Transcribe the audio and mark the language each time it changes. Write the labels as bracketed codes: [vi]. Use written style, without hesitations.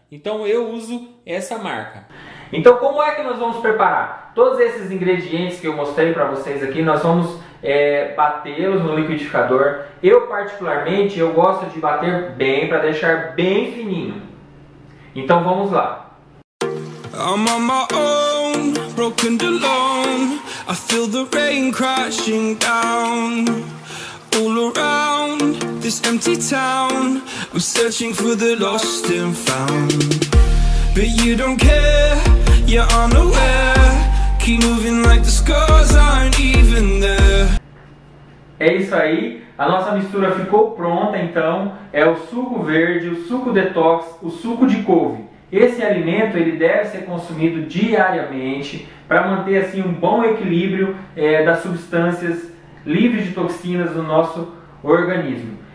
[pt] Então eu uso essa marca. Então como é que nós vamos preparar? Todos esses ingredientes que eu mostrei para vocês aqui, nós vamos batê-los no liquidificador. Eu particularmente, eu gosto de bater bem para deixar bem fininho. Então vamos lá. [en] I'm on my own, broken alone. I feel the rain crashing down. All around this empty town, I'm searching for the lost and found. But you don't care, you're unaware. Keep moving like the scars aren't even there. [pt] É isso aí, a nossa mistura ficou pronta então. É o suco verde, o suco detox, o suco de couve. Esse alimento ele deve ser consumido diariamente para manter assim um bom equilíbrio das substâncias livres de toxinas no nosso organismo.